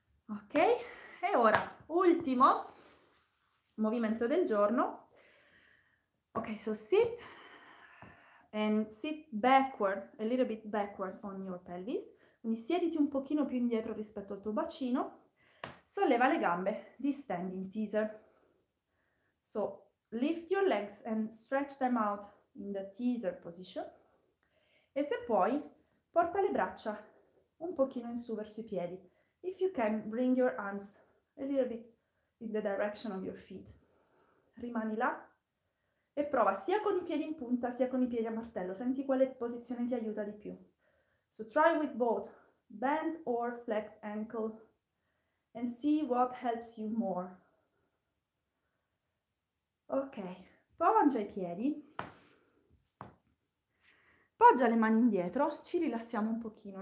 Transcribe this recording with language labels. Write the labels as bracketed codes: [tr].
[it] Ok, e ora ultimo movimento del giorno. [en] Ok, so sit and sit backward, a little bit backward on your pelvis. [it] Quindi siediti un pochino più indietro rispetto al tuo bacino. Solleva le gambe, distendi in teaser. [en] So, lift your legs and stretch them out in the teaser position. [it] E se puoi, porta le braccia un pochino in su verso i piedi. [en] If you can, bring your arms a little bit in the direction of your feet. [it] Rimani là e prova sia con i piedi in punta sia con i piedi a martello. Senti quale posizione ti aiuta di più. [en] So, try with both, bend or flex ankle. And see what helps you more. [it] Ok, poggia i piedi, poggia le mani indietro, ci rilassiamo un pochino.